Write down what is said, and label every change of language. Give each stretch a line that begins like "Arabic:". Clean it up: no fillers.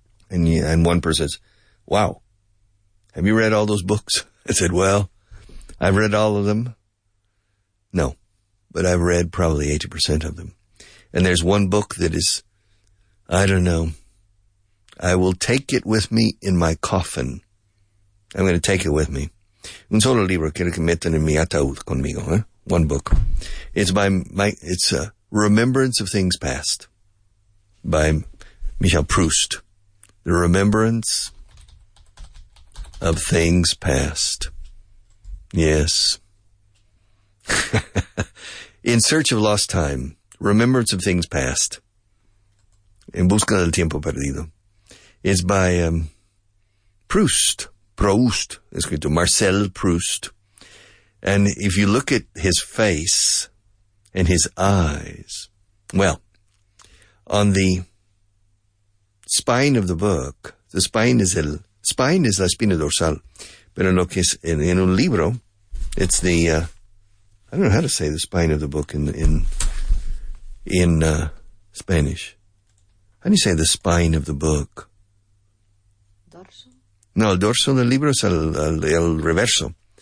English: And one person says, wow, have you read all those books? I said, well, I've read all of them. No, but I've read probably 80% of them. And there's one book that is, I don't know, I will take it with me in my coffin. I'm going to take it with me.
Spanish: Un solo libro quiero que metan en mi ataúd conmigo.
English: Eh? One book. It's by my, it's a Remembrance of Things Past by Michel Proust. The Remembrance of Things Past. Yes. In Search of Lost Time. Remembrance of Things Past. En Busca del Tiempo Perdido. It's by Proust. Proust. It's going to Marcel Proust. And if you look at his face and his eyes, well, on the spine of the book, the spine is el, spine is
Spanish: la espina dorsal, pero lo que es en un libro,
English: it's the, I don't know how to say the spine of the book in Spanish. How do you say the spine of the book?
Spanish: Dorso? No, el dorso del libro es el reverso.